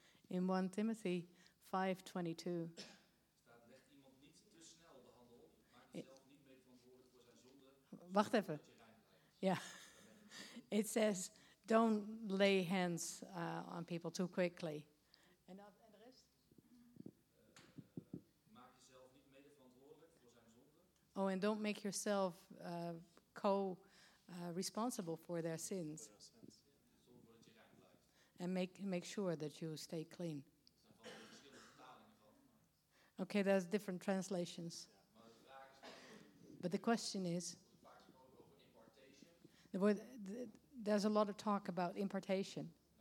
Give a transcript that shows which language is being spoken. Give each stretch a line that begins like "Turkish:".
English: In 1 Timothy 5:22.
Dutch: Wacht even.
English: Yeah. It says, don't lay hands on people too quickly.
Dutch: En de rest? Maak jezelf niet mede verantwoordelijk voor zijn zonden.
English: Oh, and don't make yourself co-responsible for their sins. And make sure that you stay clean. Okay, there's different translations. But the question is, there's a lot of talk about impartation.